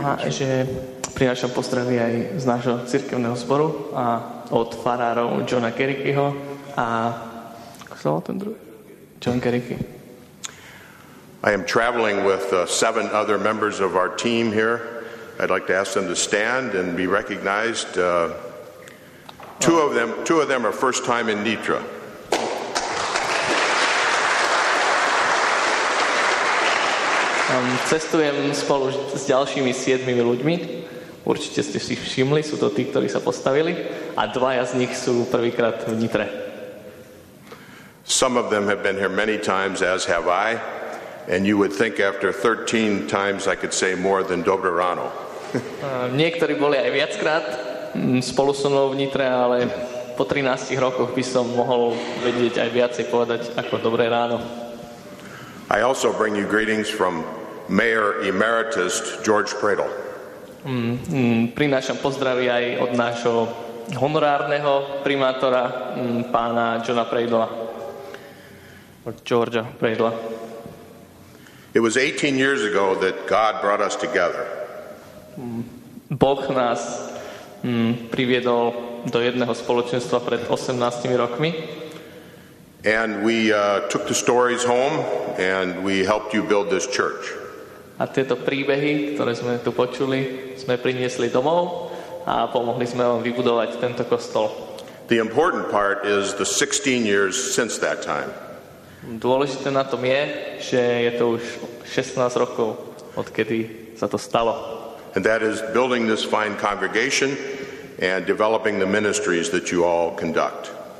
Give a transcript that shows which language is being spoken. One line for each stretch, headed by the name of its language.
Slovak: Že prinášam pozdravy aj z nášho cirkevného zboru a od farárov Johna Garrityho a kto ten druhý?
English: John Garrity. I am traveling with 7 other members of our team here. I'd like to ask them to stand and be recognized. Two of them are first time in Nitra.
Slovak: Cestujem spolu s ďalšími 7 ľuďmi. Určite ste si všimli, sú to tí, ktorí sa postavili, a dvaja z nich sú prvýkrát v Nitre.
English: Some of them have been here many times, as have I. And you would think after 13 times I could say more than
Slovak: dobré ráno. Niektorí boli aj viackrát spolu so mnou vnitre, ale po 13 rokoch by som mohol vedieť aj viacej povedať ako dobré ráno.
English: I also bring you greetings from Mayor Emeritus George Pradel.
Slovak: Prinášam pozdravy aj od nášho honorárneho primátora, pána Johna Pradela. Od Georgia Pradela.
English: It was 18 years ago that God brought us together.
Slovak: Boh nás priviedol do jedného spoločenstva pred 18 rokmi.
English: And we took the stories home and we helped you build this church.
Slovak: A tieto príbehy, ktoré sme tu počuli, sme priniesli domov a pomohli sme vám vybudovať tento kostol.
English: The important part is the 16 years since that time.
Slovak: Dôležité na tom je, že je to už 16 rokov, odkedy sa to stalo.
English: And that is building this fine congregation and developing the ministries that you all conduct.